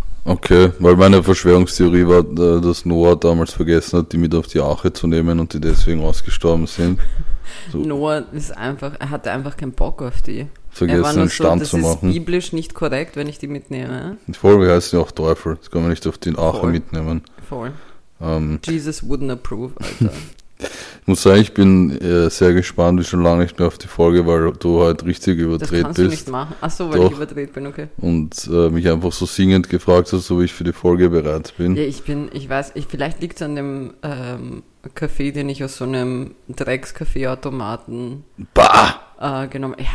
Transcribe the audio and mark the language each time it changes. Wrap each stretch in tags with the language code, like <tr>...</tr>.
<de>Okay, weil meine Verschwörungstheorie war, dass Noah damals vergessen hat, die mit auf die Arche zu nehmen und die deswegen ausgestorben sind. So. Noah ist einfach, er hatte einfach keinen Bock auf die. Vergessen, einen Stand zu machen. Das ist biblisch nicht korrekt, wenn ich die mitnehme. Die Folge heißt ja auch Teufel, das kann man nicht auf die Arche mitnehmen.</de> <en>Jesus wouldn't approve, Alter.</en> <de>Ich muss sagen, ich bin sehr gespannt, wie schon lange nicht mehr auf die Folge, weil du halt richtig überdreht bist. Das kannst du nicht machen. Ach so, weil ich überdreht bin, okay. Und mich einfach so singend gefragt hast, so wie ich für die Folge bereit bin. Ja, ich weiß, vielleicht liegt es an dem Kaffee, den ich aus so einem Dreckskaffeeautomaten genommen habe.</de>